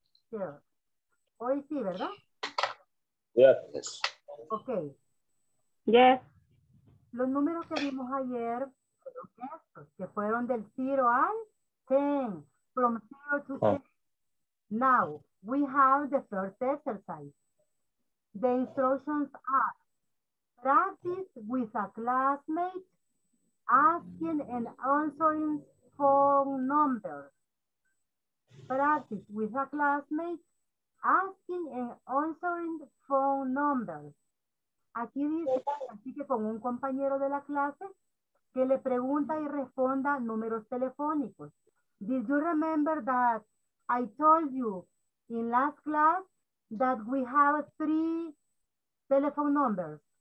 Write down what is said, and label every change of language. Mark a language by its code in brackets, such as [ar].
[en] Here. [es] Hoy sí, ¿verdad? [en] Yes. Okay. Yes. [es] Los números que vimos ayer, que fueron del 0 al 10, [en] from 0 to 10. Now, we have the first exercise. The instructions are practice with a classmate asking and answering phone numbers. Practice with a classmate asking and answering phone numbers. [es] Aquí dice, así que con un compañero de la clase, que le pregunta y responda números telefónicos. [en] Did you remember that I told you in last class that we have three telephone numbers?